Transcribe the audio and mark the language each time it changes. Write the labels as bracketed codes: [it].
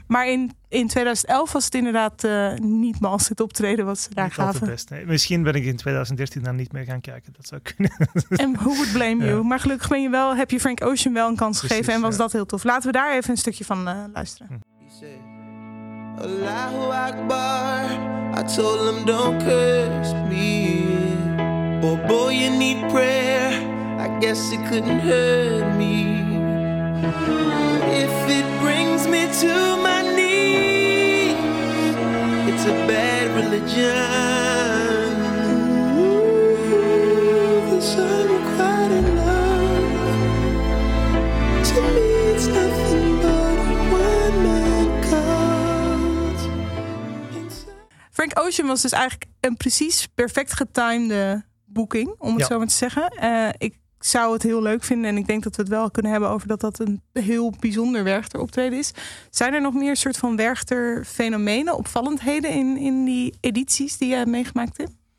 [nl] Maar in 2011 was het inderdaad niet mals het optreden wat ze daar niet gaven. Niet altijd best, nee. Misschien ben ik in 2013 dan niet meer gaan kijken, dat zou kunnen. [en] En who would blame you? [nl] Maar gelukkig heb je Frank Ocean wel een kans gegeven en was dat heel tof. Laten we daar even een stukje van luisteren. [en] Allahu Akbar, I told him don't curse me. Oh boy, you need prayer. I guess it couldn't hurt me. If it brings me to my knees, it's a bad religion. Ooh, this unrequited love, to me it's nothing but a one-man cult. [nl] Frank Ocean was dus eigenlijk een precies perfect getimede boeking, om het zo maar te zeggen. Ik zou het heel leuk vinden en ik denk dat we het wel kunnen hebben over dat een heel bijzonder Werchter optreden is. Zijn er nog meer soort van Werchter fenomenen, opvallendheden in die edities die je meegemaakt hebt?